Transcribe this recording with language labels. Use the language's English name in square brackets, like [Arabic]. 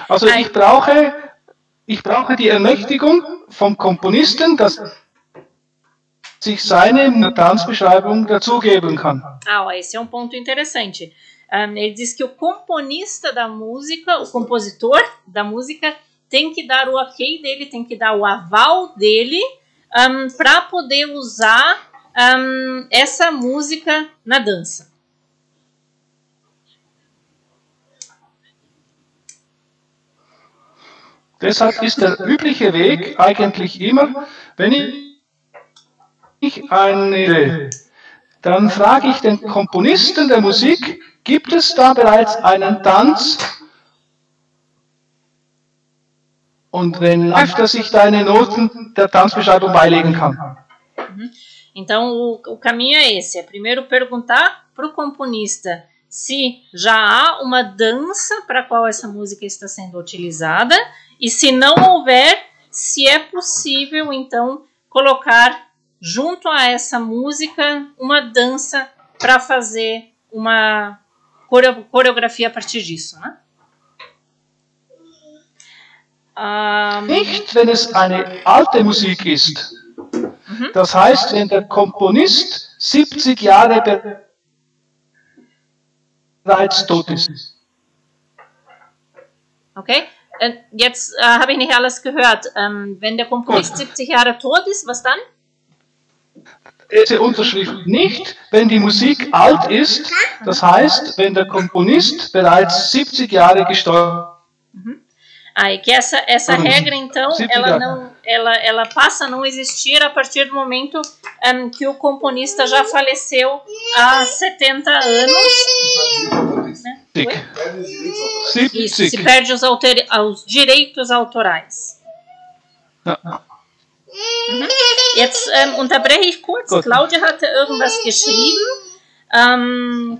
[German] Also ich brauche die Ermächtigung vom Komponisten, dass sich seine Tanzbeschreibung dazugeben kann. [Portuguese] Ah, esse é ponto interessante. Ele diz que o componista da música, o compositor da música, tem que dar o ok dele, tem que dar o aval dele para poder usar essa música na dança. [German] Deshalb ist der übliche Weg eigentlich immer, wenn ich eine, dann frage ich den Komponisten der Musik, gibt es da bereits einen Tanz? Und wenn läuft, dass ich deine Noten der Tanzbeschreibung beilegen kann. [Portuguese] Então, o caminho é esse. É primeiro perguntar para o componista se já há uma dança para qual essa música está sendo utilizada. E se não houver, se é possível, então, colocar junto a essa música uma dança para fazer uma coreografia a partir disso, né? [German] Nicht, wenn es eine alte Musik ist. Das heißt, wenn der Komponist 70 Jahre bereits tot ist. Okay, jetzt habe ich nicht alles gehört. Wenn der Komponist 70 Jahre tot ist, was dann? Diese Unterschrift nicht, wenn die Musik alt ist. Das heißt, wenn der Komponist bereits 70 Jahre gestorben ist. [Portuguese] Ah, e que essa regra, então, ela passa a não existir a partir do momento que o componista já faleceu há 70 anos. Né? Se perde os direitos autorais. [German] Jetzt unterbreche ich kurz. Claudia hatte irgendwas geschrieben.